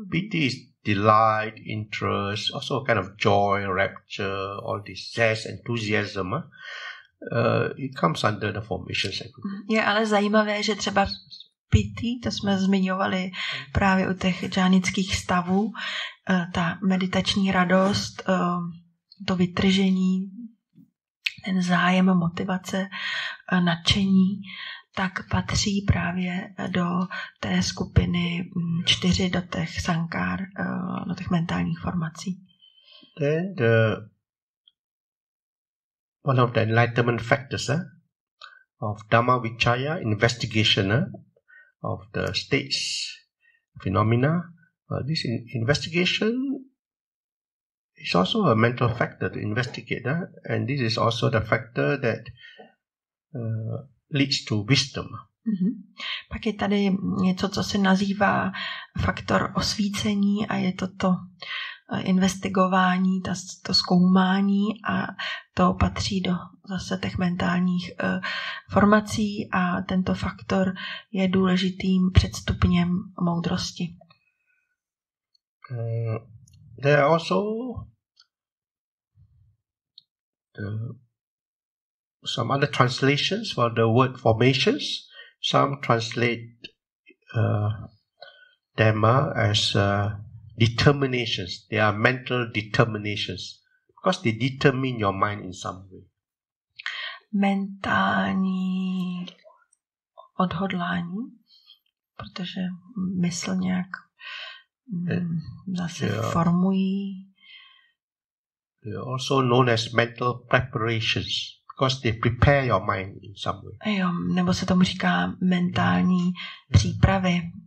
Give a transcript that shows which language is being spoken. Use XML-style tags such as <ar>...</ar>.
<en>Pity is delight, interest, also a kind of joy, rapture, all this zest, enthusiasm. It comes under the formations aggregate.</en> <cs>Je ale zajímavé, že třeba pity, to jsme zmiňovali právě u těch džánických stavů, ta meditační radost, to vytržení, ten zájem, motivace, nadšení, tak patří právě do té skupiny čtyři, do těch sankár, do těch mentálních formací.</cs> <en>Then the one of the enlightenment factors of Dhamma Vichaya, investigation of the states, phenomena, this investigation is also a mental factor to investigate, and this is also the factor that leads to wisdom. Mm-hmm.</en> <cs>Pak je tady něco, co se nazývá faktor osvícení, a je to investigování, to zkoumání, a to patří do zase těch mentálních formací, a tento faktor je důležitým předstupněm moudrosti.</cs> <en>There are also some other translations for the word formations. Some translate dhamma as determinations. They are mental determinations because they determine your mind in some way.</en> <cs>Mentální odhodlání, protože mysl nějak zase formují.</cs> <en>They are also known as mental preparations, because they prepare your mind in some way.</en> <cs>Jo, nebo se tomu říká mentální přípravy.</cs>